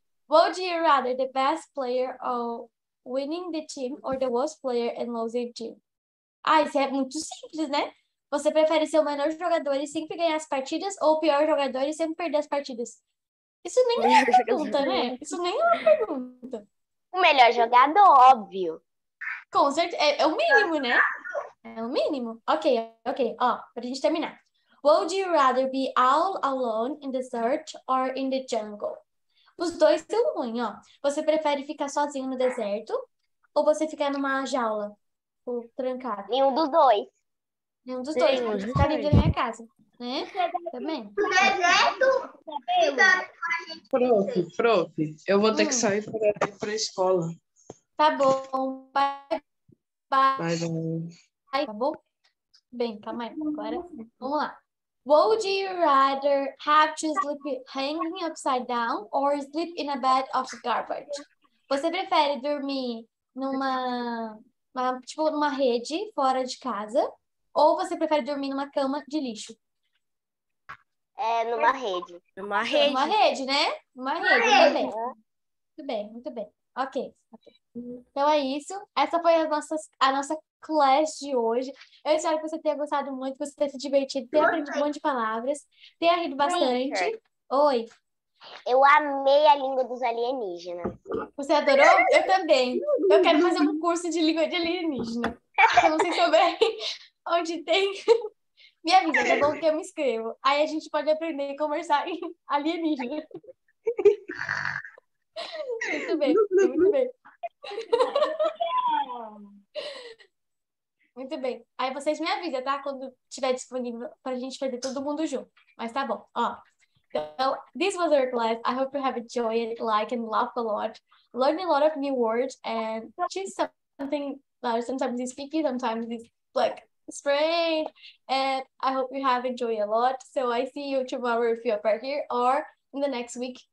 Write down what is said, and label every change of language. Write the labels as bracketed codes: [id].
[en] Would you rather the best player of winning the team or the worst player and losing the team? [pt] Ah, isso é muito simples, né? Você prefere ser o melhor jogador e sempre ganhar as partidas ou o pior jogador e sempre perder as partidas? Isso nem é uma pergunta, né? Isso nem é uma pergunta. O melhor jogador, óbvio. Com certeza. É o mínimo, né? É o mínimo. Ok, ok. Ó, pra gente terminar. [en] Would you rather be all alone in the desert or in the jungle? [pt] Os dois são ruins, ó. Você prefere ficar sozinho no deserto ou você ficar numa jaula ou trancado? Nenhum dos dois. Nenhum dos dois. Eu ficar livre da minha casa. Né? Também. No deserto? Prof, prof. Eu vou ter que sair para ir para a escola. Tá bom. [en] Bye, bye. Bye, bye. [pt] Tá bom? Bem, calma aí. Agora, vamos lá. [en] Would you rather have to sleep hanging upside down or sleep in a bed of garbage? [pt] Você prefere dormir numa tipo numa rede fora de casa ou você prefere dormir numa cama de lixo? É, numa rede. Numa rede. Numa rede, né? Numa rede. Muito bem. Muito bem, muito bem. Ok. Então é isso. Essa foi a nossa class de hoje. Eu espero que você tenha gostado muito, que você tenha se divertido, tenha aprendido um monte de palavras, tenha rido bastante. Oi. Eu amei a língua dos alienígenas. Você adorou? Eu também. Eu quero fazer um curso de língua de alienígena. Se vocês souberem onde tem, me avisa, tá bom? Que eu me inscrevo. Aí a gente pode aprender a conversar em alienígena. Muito bem, muito bem. Muito bem. Aí vocês me avisam, tá? Quando tiver disponível pra gente perder todo mundo junto. Mas tá bom, ó. Então, [en] this was our class. I hope you have enjoyed it, like, and laugh a lot. Learn a lot of new words and choose something that sometimes is picky, sometimes is, like, strange. And I hope you have enjoyed a lot. So I see you tomorrow if you're back here or in the next week.